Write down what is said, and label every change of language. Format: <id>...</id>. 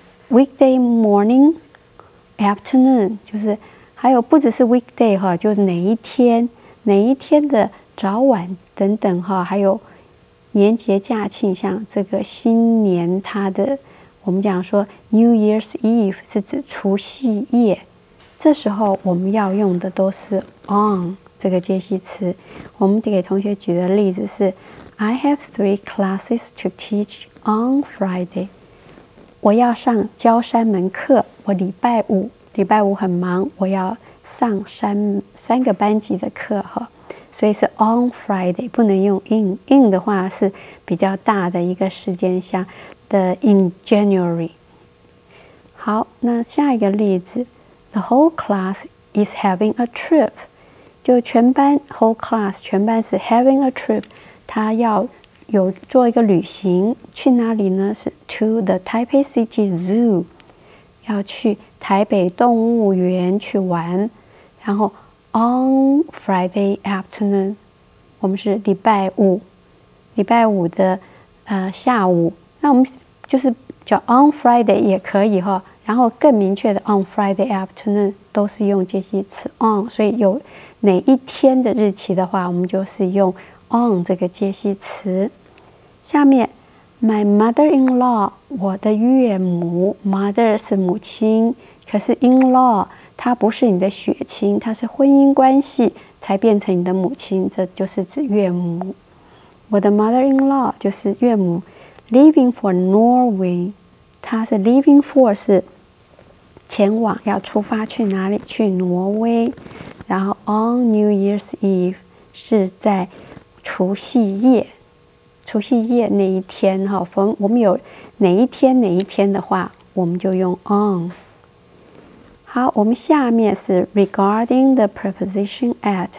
<zh>Weekday morning, afternoon 就是还有不只是 weekday 哈，就是哪一天的早晚等等哈，还有年节假庆，像这个新年，它的我们讲说 New Year's Eve 是指除夕夜，这时候我们要用的都是 on 这个介系词。我们给同学举的例子是 ：</zh> <en>I have 3 classes to teach on Friday。</en> <zh>我要上教三门课，我礼拜五很忙，我要。上 三个班级的课哈，所以是 on Friday， 不能用 in 的话是比较大的一个时间，像 the in January。好，那下一个例子</zh> <en>the whole class is having a trip，</en> <zh>就全班 whole class 全班是 having a trip， 他要有做一个旅行，去哪里呢？是</zh> <en>to the Taipei City Zoo，</en> <zh>要去台北动物园去玩。然后</zh> <en>on Friday afternoon，</en> <zh>我们是礼拜五的下午，那我们就是叫 on Friday 也可以哈。然后更明确的</zh> <en>on Friday afternoon</en> <zh>都是用介系词 on， 所以有哪一天的日期的话，我们就是用 on 这个介系词。下面 my mother-in-law， 我的岳母 ，mother 是母亲，可是 in-law。她不是你的血亲，她是婚姻关系才变成你的母亲，这就是指岳母。我的 mother-in-law 就是岳母 ，</zh> <en>living for Norway，</en> <zh>她是 living for 是前往要出发去哪里？去挪威。然后</zh> <en>on New Year's Eve</en> <zh>是在除夕夜，除夕夜那一天哈，逢我们有哪一天哪一天的话，我们就用 on。好，我们下面是</zh> <en>regarding the preposition at。</en>